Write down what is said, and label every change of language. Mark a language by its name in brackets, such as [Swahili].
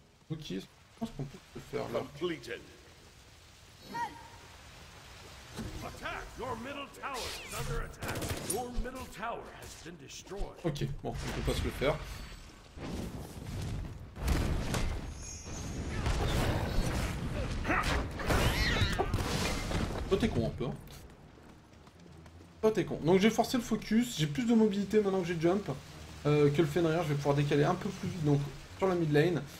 [French] Ok, je pense qu'on peut le faire là. [English] Attack, your middle tower is under attack. Your middle tower has been destroyed. [French] Ok, bon, on peut pas se le faire. Toi t'es con un peu. Toi t'es con. Donc j'ai forcé le focus, j'ai plus de mobilité maintenant que j'ai jump que le Fenrir, je vais pouvoir décaler un peu plus vite donc sur la mid lane.